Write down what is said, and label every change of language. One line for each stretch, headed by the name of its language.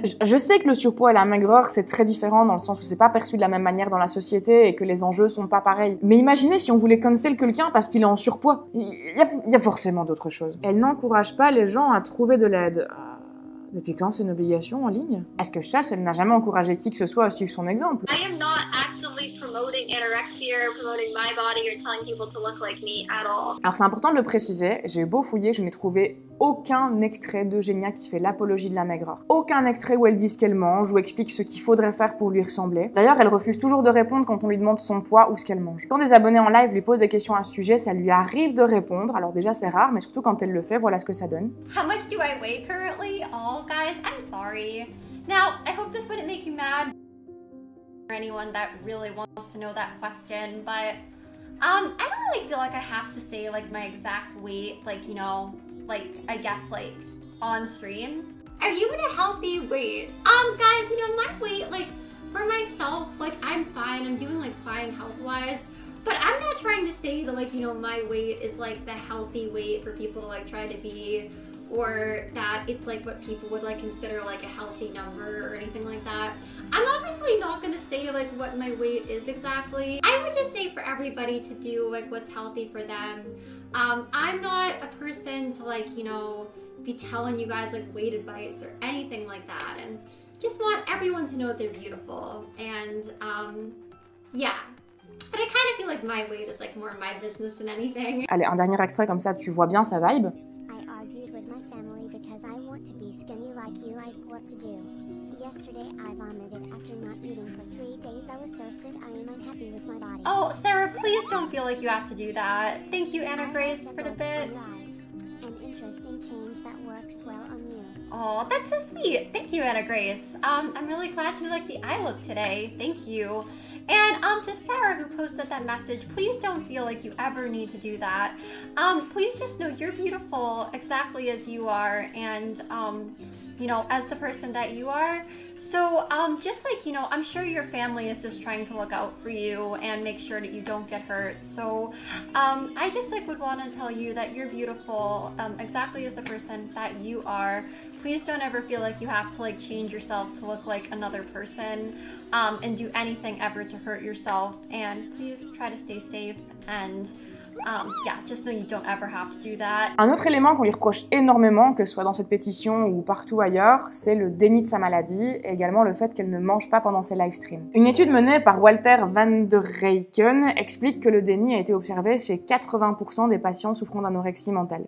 French: Je sais que le surpoids et la maigreur, c'est très différent dans le sens où c'est pas perçu de la même manière dans la société et que les enjeux sont pas pareils. Mais imaginez si on voulait cancel quelqu'un parce qu'il est en surpoids. Il y a forcément d'autres choses. Elle n'encourage pas les gens à trouver de l'aide. Depuis quand c'est une obligation en ligne? Est-ce que Chas, elle n'a jamais encouragé qui que ce soit à suivre son exemple?
English: I am not actively promoting anorexia or promoting my body or telling people to look like me at all.
French: Alors c'est important de le préciser, j'ai beau fouiller, je n'ai trouvé aucun extrait d'Eugénia qui fait l'apologie de la maigreur. Aucun extrait où elle dit ce qu'elle mange ou explique ce qu'il faudrait faire pour lui ressembler. D'ailleurs, elle refuse toujours de répondre quand on lui demande son poids ou ce qu'elle mange. Quand des abonnés en live lui posent des questions à ce sujet, ça lui arrive de répondre. Alors déjà, c'est rare, mais surtout quand elle le fait, voilà ce que ça donne.
English: How much do I weigh currently? Oh guys, I'm sorry. Now, I hope this wouldn't make you mad for anyone that really wants to know that question, but I don't really feel like I have to say like my exact weight, like, you know, like, I guess, like, on stream. Are you in a healthy weight? Guys, you know, my weight, like, for myself, like, I'm fine. I'm doing, like, fine health-wise. But I'm not trying to say that, like, you know, my weight is, like, the healthy weight for people to, like, try to be. Or that it's, like, what people would, like, consider, like, a healthy number or anything like that. I'm obviously not gonna say, like, what my weight is exactly. I would just say for everybody to do, like, what's healthy for them. I'm not a person to, like, you know, be telling you guys, like, weight advice or anything like that. And just want everyone to know that they're beautiful. And, yeah. But I kind of feel like my weight is, like, more my business than anything.
French: Allez, un dernier extrait comme ça, tu vois bien sa vibe?
English: I argued with my family because I want to be skinny like you, I want to do. Yesterday, I vomited after not eating for 3 days. I was so sick, I am unhappy with my body. Oh, Sarah, please don't feel like you have to do that. Thank you, Anna Grace, for the bits. An interesting change that works well on you. Aw, that's so sweet. Thank you, Anna Grace. I'm really glad you like the eye look today. Thank you. And to Sarah, who posted that message, please don't feel like you ever need to do that. Please just know you're beautiful exactly as you are. And, you know, as the person that you are. So, just like, you know, I'm sure your family is just trying to look out for you and make sure that you don't get hurt. So, I just, like, would want to tell you that you're beautiful exactly as the person that you are. Please don't ever feel like you have to, like, change yourself to look like another person and do anything ever to hurt yourself. And please try to stay safe and...
French: Un autre élément qu'on lui reproche énormément, que ce soit dans cette pétition ou partout ailleurs, c'est le déni de sa maladie et également le fait qu'elle ne mange pas pendant ses live streams. Une étude menée par Walter van der Reyken explique que le déni a été observé chez 80% des patients souffrant d'anorexie mentale.